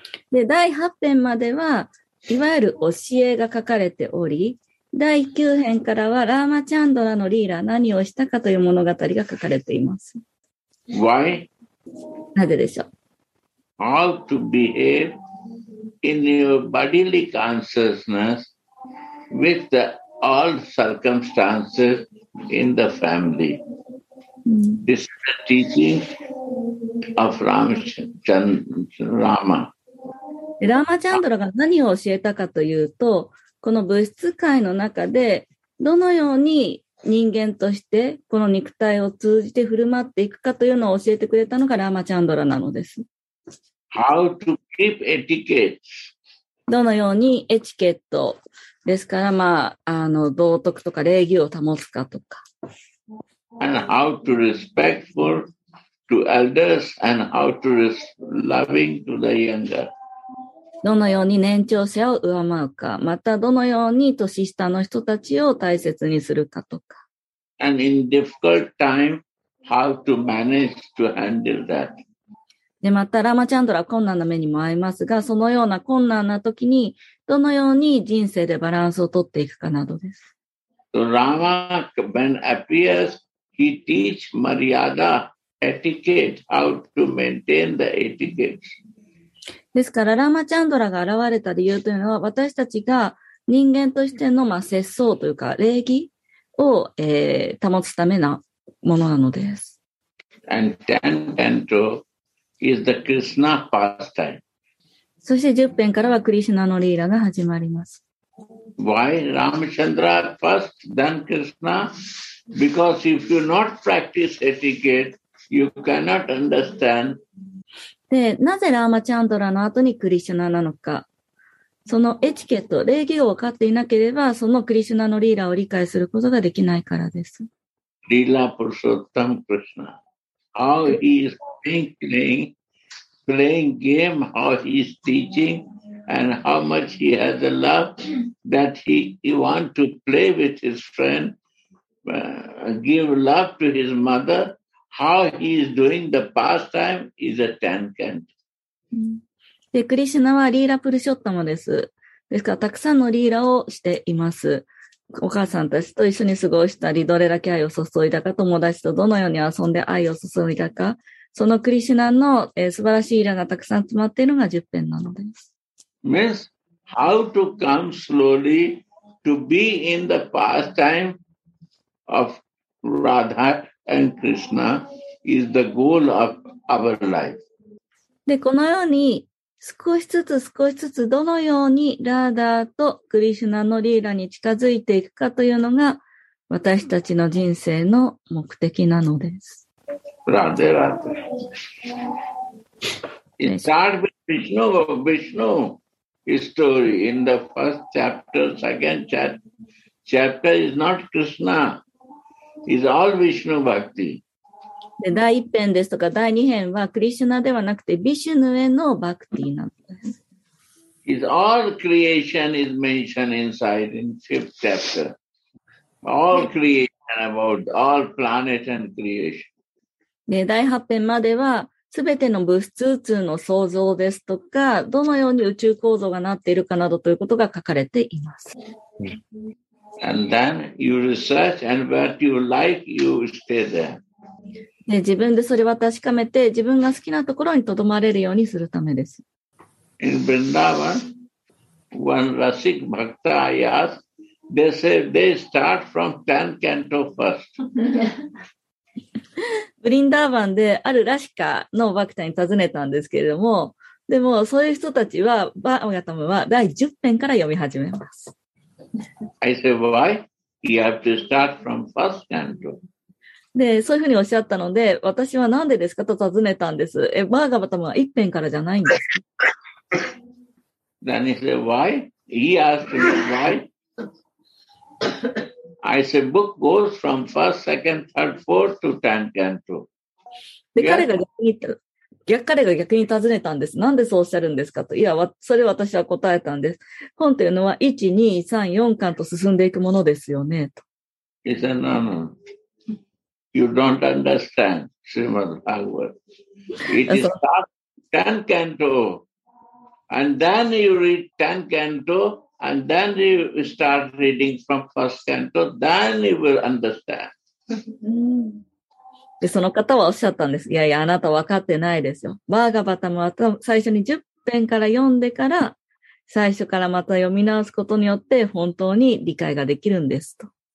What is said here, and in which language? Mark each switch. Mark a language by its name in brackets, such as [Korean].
[Japanese] で、第8編まではいわゆる教えが書かれており、第9編からはラーマチャンドラのリーラ、何をしたかという物語が書かれています。 [English] Why? [Japanese] なぜでしょう。 [English] How to behave in your bodily consciousness with the all circumstances in the family. This is the teaching of Rama. [Japanese] ラーマチャンドラが何を教えたかというと、この物質界の中でどのように人間としてこの肉体を通じて振る舞っていくかというのを教えてくれたのがラーマチャンドラなのです。 [English] How to keep etiquette. [Japanese] どのようにエチケットですから、まあ、道徳とか礼儀を保つかとか。 [English] And how to respectful to elders and how to loving to the younger. [Japanese] どのように年長者を敬うか、またどのように年下の人たちを大切にするかとか。 [English] And in difficult time, how to manage to handle that. [Japanese] で、またラマチャンドラは困難な目にも遭いますが、そのような困難な時にどのように人生でバランスを取っていくかなどです。 [English] So, Rama, when appears, he teaches Maryada etiquette, how to maintain the etiquette. [Japanese] ですからラーマチャンドラが現れた理由というのは、私たちが人間としての、まあ、節操というか礼儀を、保つためなものなのです。 [English] And ten canto is the Krishna pastime. [Japanese] そして10編からはクリシュナのリーラが始まります。 [English] Why Ramachandra first then Krishna? Because if you not practice etiquette you cannot understand [Japanese] で、なぜラーマチャンドラの後にクリシュナなのか、そのエチケット、礼儀を分かっていなければ、そのクリシュナのリーラを理解することができないからです。リーラ・プルソッタム・クリシュナ。 [English] How he is playing game, how he is teaching, and how much he has a love that he wants to play with his friend, give love to his mother. How he is doing the pastime is a ten canto. [Japanese] で、クリシュナはリーラプルショットもです。ですから、たくさんのリーラをしています。お母さんたちと一緒に過ごしたり、どれだけ愛を注いだか、友達とどのように遊んで愛を注いだか、そのクリシュナの、素晴らしいリーラがたくさん詰まっているのが10編なのです。 [English] Miss, how to come slowly to be in the pastime of Radha? And Krishna is the goal of our life. [Japanese] で、このように少しずつ少しずつどのようにラーダーとクリシュナのリーラに近づいていくかというのが私たちの人生の目的なのです。ラーダーラーダー。 [English] It starts with Vishnu story in the first chapter, second chapter is not Krishna. Is all Vishnu Bhakti. [Japanese] で、第一編ですとか第二編はクリシュナではなくてビシュヌへのバクティなんです。 [English] Is all creation is mentioned inside in fifth chapter. All creation about all planet and creation. [Japanese] で、第八編まではすべての物質宇宙の創造ですとか、どのように宇宙構造がなっているかなどということが書かれています。 [English] And then you research and what you like, you stay there. [Japanese] で、自分でそれを確かめて、自分が好きなところにとどまれるようにするためです。 [English] In Vrindavan, one Rasik Bhakta I asked, they say they start from 10 canto first. [Japanese] ブリンダーバンであるラシカのバクタに尋ねたんですけれども、でもそういう人たちは、バーガタムは第10編から読み始めます。 [English] I said, why? You have to start from first canto. [Japanese] で、そういうふうにおっしゃったので、私は何でですかと尋ねたんです。え、バーガバタムは一編からじゃないんです。 [English] Then he said, why? He asked me, why? I said, book goes from first, second, third, fourth to ten canto. [Japanese] で、彼が逆に、彼が逆に尋ねたんです。なんでそうおっしゃるんですかと。いや、それ私は答えたんです。本というのは、1、2、3、4巻と進んでいくものですよね、と。 [English] He said, no, no. You don't understand Srimad Bhagavat. It is not 10 canto. And then you read 10 canto, and then you start reading from first canto, then you will understand. [Japanese] でその方はおっしゃったんです。いやいや、あなた分かってないですよ。バーガバタムは最初に10編から読んでから、最初からまた読み直すことによって、本当に理解ができるんですと。